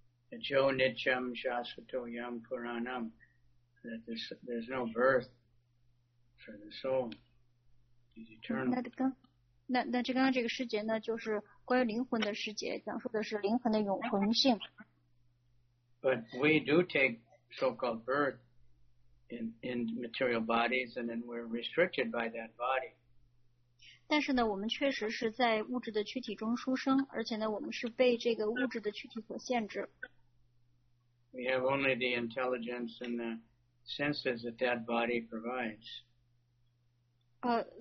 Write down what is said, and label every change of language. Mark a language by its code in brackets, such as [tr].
[sa] Jo nityam shasvatoyam puranam. [en] That there's no birth for the soul. It's eternal. [zh] 那这刚刚这个师节呢，就是关于灵魂的师节，讲述的是灵魂的永恒性。 [en] But we do take so-called birth. In material bodies, and then we're restricted by that body. [zh] 但是呢，我们确实是在物质的躯体中出生，而且呢，我们是被这个物质的躯体所限制。 [en] We have only the intelligence and the senses that that body provides.